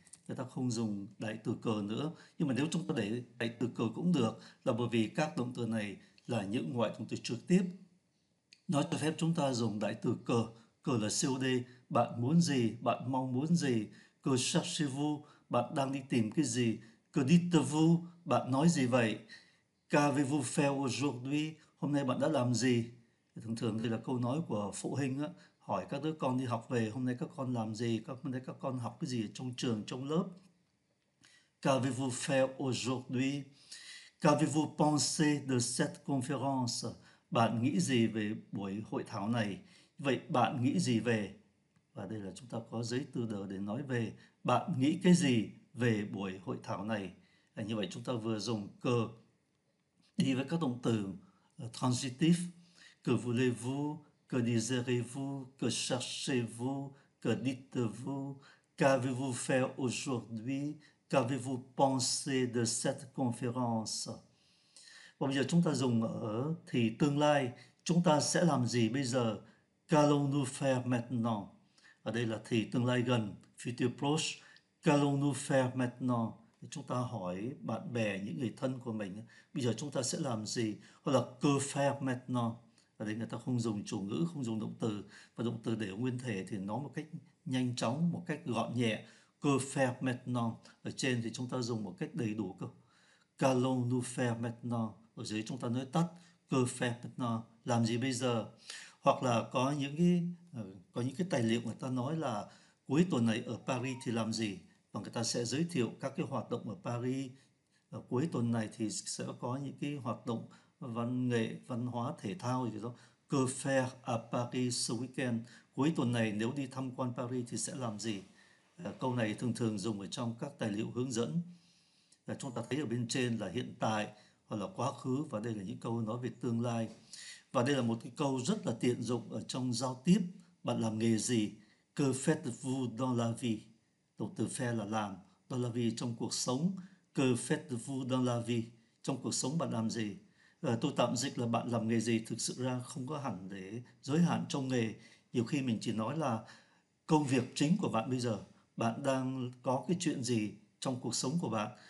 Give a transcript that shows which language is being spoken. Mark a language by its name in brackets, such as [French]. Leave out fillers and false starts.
[Vietnamese] Người ta không dùng đại từ cờ nữa. Nhưng mà nếu chúng ta để đại từ cờ cũng được, là bởi vì các động từ này là những ngoại động từ trực tiếp. Nó cho phép chúng ta dùng đại từ cờ. Cờ là COD, bạn muốn gì, bạn mong muốn gì. Cờ [French] cherchez-vous, [Vietnamese] bạn đang đi tìm cái gì. Cờ [French] dites-vous, [Vietnamese] bạn nói gì vậy. [French] Qu'avez-vous fait aujourd'hui, [Vietnamese] hôm nay bạn đã làm gì. Thường thường đây là câu nói của phụ huynh á, hỏi các đứa con đi học về, hôm nay các con làm gì, hôm nay các con học cái gì trong trường, trong lớp. [French] Qu'avez-vous fait aujourd'hui? Qu'avez-vous pensé de cette conférence? [Vietnamese] Bạn nghĩ gì về buổi hội thảo này? Vậy bạn nghĩ gì về? Và đây là chúng ta có giấy từ đờ để nói về. Bạn nghĩ cái gì về buổi hội thảo này? Như vậy chúng ta vừa dùng cờ đi với các động từ transitive. [French] Que voulez-vous? Que désirez-vous? Que cherchez-vous? Que dites-vous? Qu'avez-vous fait aujourd'hui? Qu'avez-vous pensé de cette conférence? [Vietnamese] Và bây giờ chúng ta dùng ở thì tương lai. Chúng ta sẽ làm gì bây giờ? [French] Qu'allons-nous faire maintenant? [Vietnamese] Ở đây là thì tương lai gần, future proche. [French] Qu'allons-nous faire maintenant? [Vietnamese] Chúng ta hỏi bạn bè, những người thân của mình, bây giờ chúng ta sẽ làm gì? Hoặc là [French] que faire maintenant? [Vietnamese] Ở đây người ta không dùng chủ ngữ, không dùng động từ. Và động từ để nguyên thể thì nó một cách nhanh chóng, một cách gọn nhẹ. [French] Que faire maintenant? [Vietnamese] Ở trên thì chúng ta dùng một cách đầy đủ cơ. [French] Qu'allons-nous faire maintenant? [Vietnamese] Ở dưới chúng ta nói tắt. [French] Que faire maintenant? [Vietnamese] Làm gì bây giờ? Hoặc là có những cái tài liệu người ta nói là cuối tuần này ở Paris thì làm gì? Và người ta sẽ giới thiệu các cái hoạt động ở Paris. Ở cuối tuần này thì sẽ có những cái hoạt động văn nghệ, văn hóa, thể thao gì đó. [French] Que faire à Paris ce weekend? [Vietnamese] Cuối tuần này nếu đi tham quan Paris thì sẽ làm gì? Câu này thường thường dùng ở trong các tài liệu hướng dẫn. Chúng ta thấy ở bên trên là hiện tại hoặc là quá khứ, và đây là những câu nói về tương lai. Và đây là một cái câu rất là tiện dụng ở trong giao tiếp. Bạn làm nghề gì? [French] Que faites-vous dans la vie? [Vietnamese] Động từ faire là làm. [French] Dans la vie [Vietnamese] trong cuộc sống. [French] Que faites-vous dans la vie? [Vietnamese] trong cuộc sống bạn làm gì? Tôi tạm dịch là bạn làm nghề gì thực sự ra không có hẳn để giới hạn trong nghề. Nhiều khi mình chỉ nói là công việc chính của bạn bây giờ, bạn đang có cái chuyện gì trong cuộc sống của bạn.